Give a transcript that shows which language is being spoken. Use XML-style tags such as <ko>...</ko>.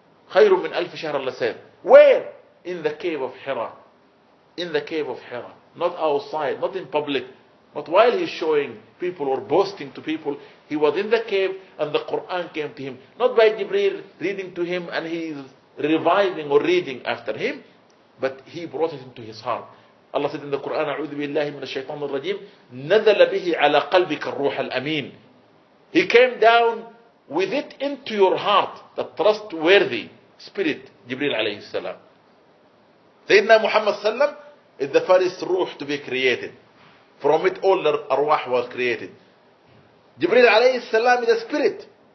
<ar>خير من ألف شهر لسيف.</ar> <en>Where? In the cave of Hira. In the cave of Hira. Not outside, not in public. But while he's showing people or boasting to people, he was in the cave and the Quran came to him. Not by Jibreel reading to him and he's reviving or reading after him, but he brought it into his heart. Allah said in the Quran,</en> <ar>أعوذ بالله من الشيطان الرجيم نزل به على قلبك الروح الأمين.</ar> <en>He came down with it into your heart, the trustworthy spirit, Jibreel alayhi salam. Sayyidina Muhammad sallam is the first ruh to be created. From it all the arwah was created. Jibreel alayhi salam is a spirit.</en>